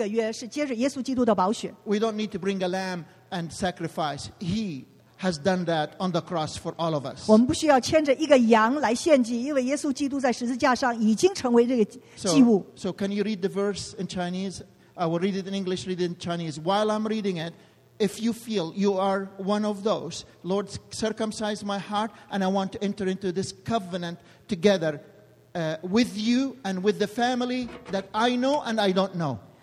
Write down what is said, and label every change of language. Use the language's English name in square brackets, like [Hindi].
[English] We don't need to bring a lamb and sacrifice. He has done that on the cross for all of us. [Chinese] 我们不需要牵着一个羊来献祭, 因为耶稣基督在十字架上已经成为这个祭物。 [English] So can you read the verse in Chinese? I will read it in English, read it in Chinese. While I'm reading it, if you feel you are one of those, Lord, circumcise my heart, and I want to enter into this covenant together with you and with the family that I know and I don't know.